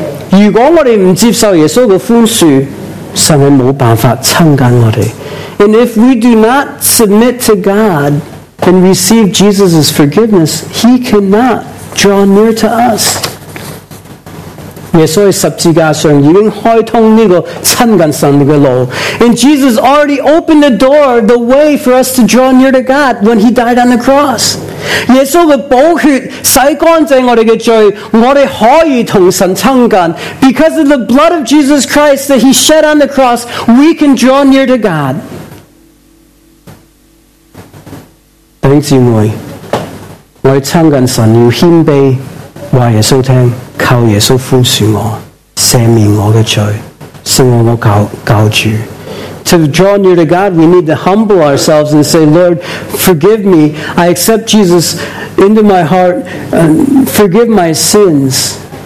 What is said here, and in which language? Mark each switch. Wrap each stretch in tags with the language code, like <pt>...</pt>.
<zh>如果我们不接受耶稣的宽恕，神是没办法亲近我们。</zh> <en>And if we do not submit to God and receive Jesus' forgiveness, He cannot draw near to us.</en> <zh>耶稣在十字架上已经开通这个亲近神的路。</zh> <en>And Jesus already opened the door, the way for us to draw near to God when He died on the cross.</en> <zh>耶稣的宝血洗干净我们的罪，我们可以同神亲近。</zh> <en>Because of the blood of Jesus Christ that he shed on the cross, we can draw near to God.</en> <zh>弟兄姊妹，我们亲近神要谦卑，告诉耶稣，靠耶稣宽恕我，赦免我的罪，是我的教主。</zh> <en>To draw near to God, we need to humble ourselves and say, Lord, forgive me. I accept Jesus into my heart and forgive my sins.</en>